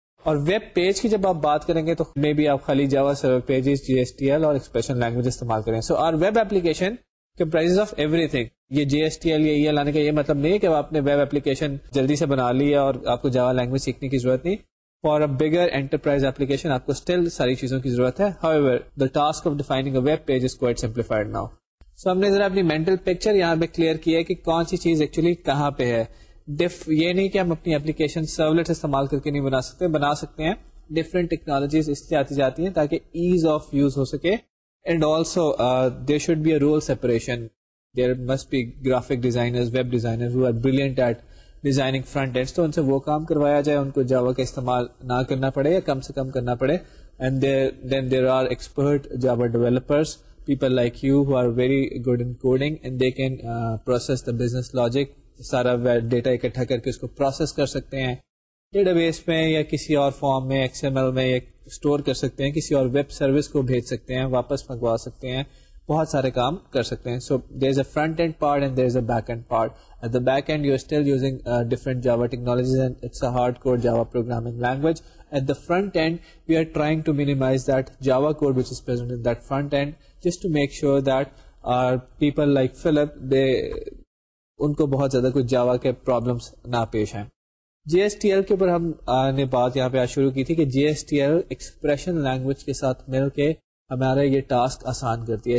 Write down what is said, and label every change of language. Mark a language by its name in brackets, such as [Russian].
[Urdu] اور web page کی جب آپ بات کریں گے تو [English] maybe [Urdu] آپ خالی جاوا سرور پیجز, جی ایس ٹی ایل اور ایکسپریشن لینگویج استعمال کریں. [English] So our web application comprise of everything. [Urdu] یہ جی ایس ٹی ایل یا ای ایل آنے کا یہ مطلب نہیں ہے کہ آپ نے ویب اپلیکیشن جلدی سے بنا لی ہے اور آپ کو جاوا لینگویج سیکھنے کی ضرورت نہیں. [English] for a bigger enterprise application [Urdu] آپ کو اسٹل ساری چیزوں کی ضرورت ہے. [English] However the task of defining a web page is quite simplified now. [Urdu] سو ہم نے ذرا اپنی مینٹل پکچر یہاں پہ کلیئر کی ہے کہ کون سی چیز ایکچولی کہاں پہ ہے. یہ نہیں کہ ہم اپنی اپلیکیشن سرولیٹ استعمال کر کے نہیں بنا سکتے, بنا سکتے ہیں. ڈفرینٹ ٹیکنالوجیز اس سے آتی جاتی ہیں تاکہ ایز آف یوز ہو سکے, [English] And also there should be a role separation. There must be graphic designers, web designers who are brilliant at designing front end, [Urdu] تو ان سے وہ کام کروایا جائے, ان کو جاوا کا استعمال نہ کرنا پڑے یا کم سے کم کرنا پڑے. [English] and then there are expert Java developers, people like you who are very good in coding, and they can process the business logic, [Urdu] سارا ڈیٹا اکٹھا کر کے اس کو پروسیس کر سکتے ہیں ڈیٹا بیس میں یا کسی اور فارم میں, ایکس ایم ایل میں یا اسٹور کر سکتے ہیں, کسی اور ویب سروس کو بھیج سکتے ہیں, واپس منگوا سکتے ہیں, بہت سارے کام کر سکتے ہیں. [English] So there is a front end part and there is a back end part. At the back end you are still using different Java technologies and it's a hard core Java programming language. At the front end we are trying to minimize that Java code which is present in that front end, just to make sure that our people like Philip, they [Urdu] ان کو بہت زیادہ کچھ جاوا کے problems نہ پیش ہیں. جی S T L کے اوپر ہم نے بات یہاں پہ شروع کی تھی کہ جی S T L expression language کے ساتھ مل کے ہمارا یہ ٹاسک آسان کرتی ہے.